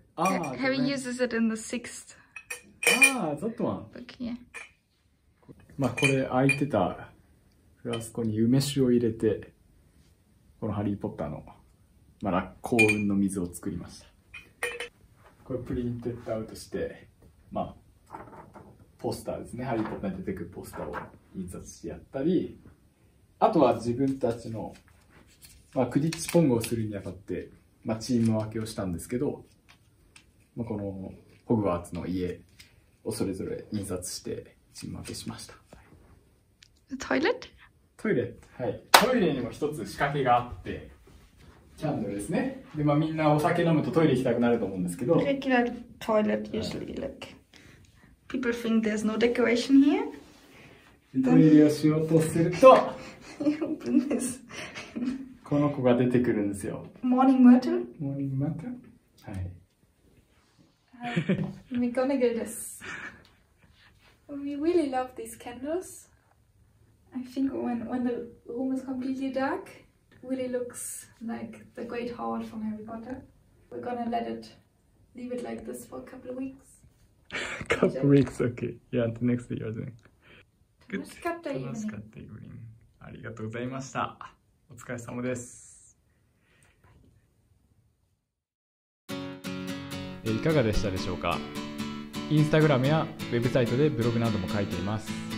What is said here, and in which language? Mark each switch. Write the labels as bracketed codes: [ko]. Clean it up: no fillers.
[en] Ah, Harry uses it in the sixth. Ah, that one. Book, yeah. [ja] まあこれ空いてたフラスコに梅酒を入れてこのハリーポッターのまあ幸運の水を作りました。これプリンテッドアウトしてまあポスターですね、ハリーポッターに出てくるポスターを印刷してやったり、あとは自分たちのまあ、クリッチポングをするにあたって、まあ、チーム分けをしたんですけど、まあ、このホグワーツの家をそれぞれ印刷してチーム分けしました。トイレット？ トイレット、はい。トイレにも一つ仕掛けがあって、キャンドルですね。で、まあ、みんなお酒飲むとトイレ行きたくなると思うんですけど。 [en] Regular toilet usually, like, people think there's no decoration here. [ja] トイレをしようとすると、 [en] Open this. [ja] この子が出てくるんですよ。モーニングマトゥ。モーニングマトゥ。はい。 [en] We're gonna get this. We really love these candles. I think when the room is completely dark, really looks like the Great Hall from Harry Potter. We're gonna let it leave it like this for a couple of weeks. couple weeks, okay. Yeah, the next year then. [ja] 楽しかった [en] evening. [ja] 楽しかった evening. ありがとうございました。お疲れ様です。いかがでしたでしょうか。インスタグラムやウェブサイトでブログなども書いています。